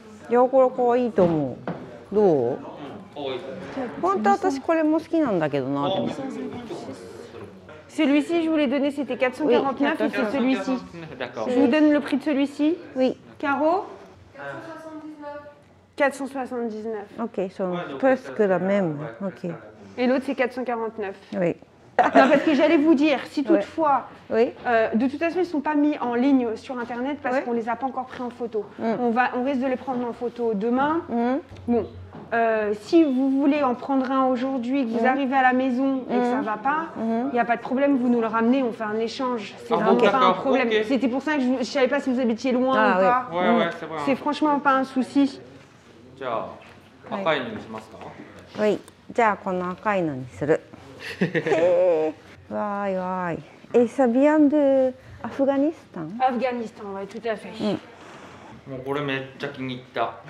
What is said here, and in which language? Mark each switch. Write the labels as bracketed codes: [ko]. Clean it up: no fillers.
[ja] いやこれ可愛いと思う。どう？可愛い。本当私これも好きなんだけどな。でも。 [fr] Celui-ci je voulais donner c'était 449 et c'est celui-ci. Je vous donne le prix de celui-ci. Oui. Caro? 479. 479. Ok, c'est presque la même. Ok. Et l'autre c'est 449. Oui. Non, parce que j'allais vous dire, si toutefois, ouais. De toute façon, ils ne sont pas mis en ligne sur Internet parce qu'on ne les a pas encore pris en photo. Mmh. On risque de les prendre en photo demain. Mmh. Bon, si vous voulez en prendre un aujourd'hui, que vous arrivez à la maison et que ça ne va pas, il n'y a pas de problème, vous nous le ramenez, on fait un échange. C'est vraiment pas un problème. Okay. C'était pour ça que je ne savais pas si vous habitiez loin ou pas. Ouais, ouais, c'est vrai. C'est franchement pas un souci. Oui, j'ai un [ja] akai no ni suru. [fr] Hey. Et ça vient de [ja] アフガニスタン？アフガニスタンは、とても。もうこれめっちゃ気に入った。